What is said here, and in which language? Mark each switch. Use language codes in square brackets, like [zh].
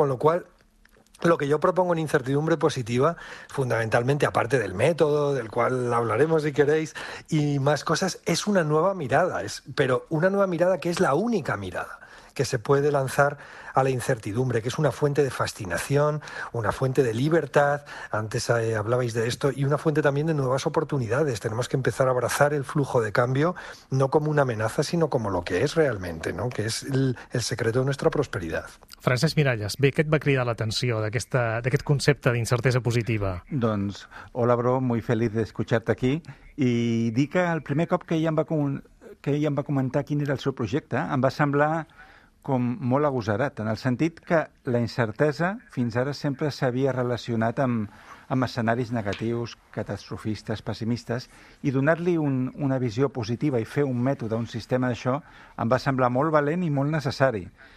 [es] Con lo cual, lo que yo propongo en incertidumbre positiva, fundamentalmente, aparte del método, del cual hablaremos si queréis, y más cosas, es una nueva mirada, pero una nueva mirada que es la única mirada que se puede lanzar a la incertidumbre, que es una fuente de fascinación, una fuente de libertad, antes hablabais de esto, y una fuente también de nuevas oportunidades. Tenemos que empezar a abrazar el flujo de cambio, no como una amenaza, sino como lo que es realmente, ¿no? Que es el secreto de nuestra prosperidad. [ca] Francesc Miralles, bé, què et va cridar l'atenció d'aquest concepte d'incertesa positiva? [es] Doncs, hola, bro, muy feliz de escucharte aquí. [ca] I dic que el primer cop que ella em va comentar quin era el seu projecte, em va semblar com molt agosarat, en el sentit que la incertesa fins ara sempre s'havia relacionat amb escenaris negatius, catastrofistes, pessimistes, i donar-li una visió positiva i fer un mètode, un sistema d'això, em va semblar molt valent i molt necessari.